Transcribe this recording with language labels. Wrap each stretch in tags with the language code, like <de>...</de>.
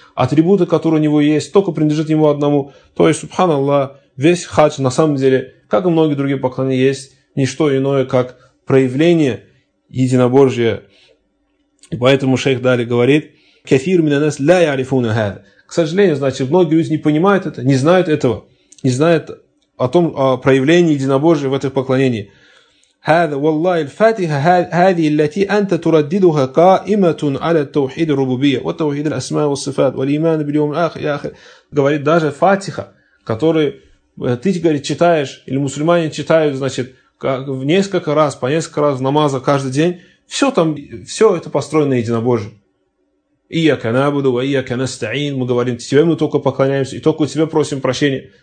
<ru>Атрибуты, которые у него есть, только принадлежат ему одному. То есть, субханаллах, весь хадж, на самом деле, как и многие другие поклонения, есть не что иное, как проявление единобожия. И поэтому шейх далее говорит,</ru> <ar>«Кафир мин ан-нас ля яърифуна хадза».</ar> <ru>К сожалению, значит, многие люди не понимают это, не знают этого, не знают о том, о проявлении единобожия в этих поклонениях.</ru> <ar>هذا والله الفاتحة هذه التي أنت ترددها قائمة على التوحيد الربوبية والتوحيد الأسماء والصفات والإيمان باليوم الآخر.</ar> <ru>Говорит, даже фатиха, которую ты, говорит, читаешь, или мусульмане читают, значит, в несколько раз, по несколько раз в намазах каждый день, все там, все это построено на единобожие.</ru> <ar>Ияка набуду, ияка настаин.</ar> <ru>Мы говорим, тебе мы только поклоняемся, и только у тебя просим прощения.</ru>